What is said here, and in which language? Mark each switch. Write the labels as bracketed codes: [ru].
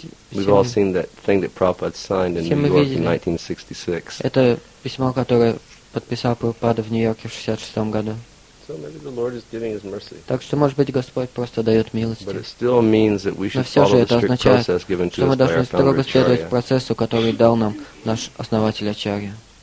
[en] We've all seen that thing that Prabhupada signed in New York in 1966. [ru] Это письмо, которое подписал Прабхупада в Нью-Йорке в 66 году. [en] So maybe the Lord is giving His mercy. [ru] Так что, может быть, Господь просто дает милости. [en] But it still means that we should follow the strict process given to us by our founder [ru] Acharya. Мы должны строго следовать процессу, который дал нам наш основатель Ачарья.